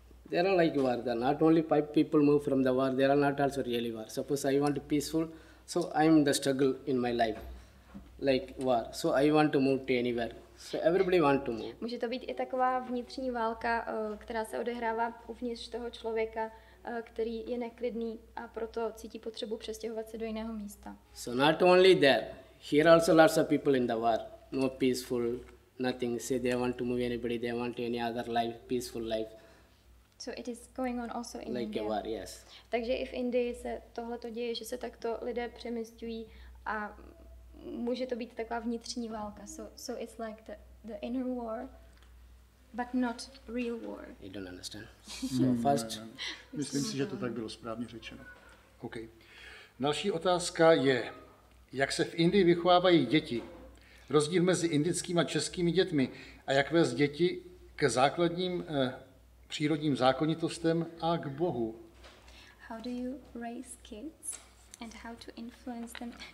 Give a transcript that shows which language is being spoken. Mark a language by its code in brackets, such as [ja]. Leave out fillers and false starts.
[en] They are like war. They're not only five people move from the war. They are not also really war. Suppose I want peaceful, so I'm in the struggle in my life. Like war. So I want to move to anywhere. So everybody want to move. [cs] Může to být i taková vnitřní válka, která se odehrává uvnitř toho člověka, který je neklidný a proto cítí potřebu přestěhovat se do jiného místa. [en] So not only there. Here also lots of people in the war. No peaceful, nothing. Say they want to move anybody, they want any other life, peaceful life. So it is going on also in like India. A war, yes. [cs] Takže i v Indii se tohle to děje, že se takto lidé přemisťují a může to být taková vnitřní válka. [en] So it's like the inner war, but not real war. I don't understand. So first. [cs] Myslím si, že to tak bylo správně řečeno. OK. Další otázka je, jak se v Indii vychovávají děti? Rozdíl mezi indickými a českými dětmi a jak vést děti k základním přírodním zákonitostem a k Bohu? [en] How do you raise kids and how to influence them?